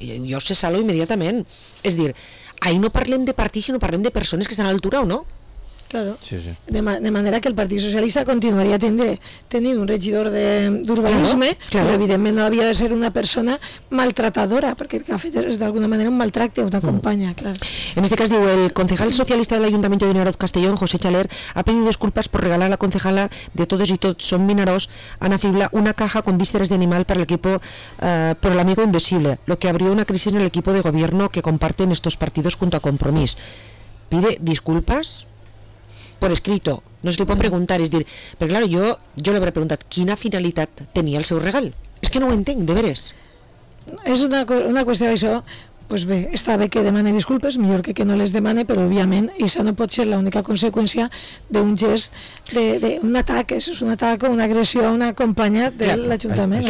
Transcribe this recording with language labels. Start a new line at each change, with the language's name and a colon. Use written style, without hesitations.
Catalan: Jo se salo immediatament. És dir, ahir no parlem de partit, sinó parlem de persones que estan a l'altura o no?
Spanish: Claro.
Catalan: Sí, sí. De manera que el Partit Socialista continuaria tenint un regidor d'urbanisme, però evidentment no havia de ser una persona maltratadora, perquè el que ha fet és d'alguna manera un maltracte a una companya.
Spanish: Claro. En este cas diu, el concejal socialista de l'Ajuntament de Vinaròs Castellón, José Chaler, ha pedido disculpas por regalar a la concejala de Todos y Tots Son Vinaròs, Ana Fibla, una caja con vísceres de animal para el equipo, por el amigo invisible, lo que abrió una crisis en el equipo de gobierno que comparten estos partidos junto a Compromís. Pide disculpas por escrito,
Catalan: no se li pot preguntar, és dir, però clar, jo l'hauré preguntat quina finalitat tenia el seu regal. És que no ho entenc, de veres. És una qüestió d'això, pues bé, està bé que demani disculpes, millor que no les demani, però òbviament això no pot ser l'única conseqüència d'un gest, d'un atac, és un atac o una agressió a una companya de l'Ajuntament.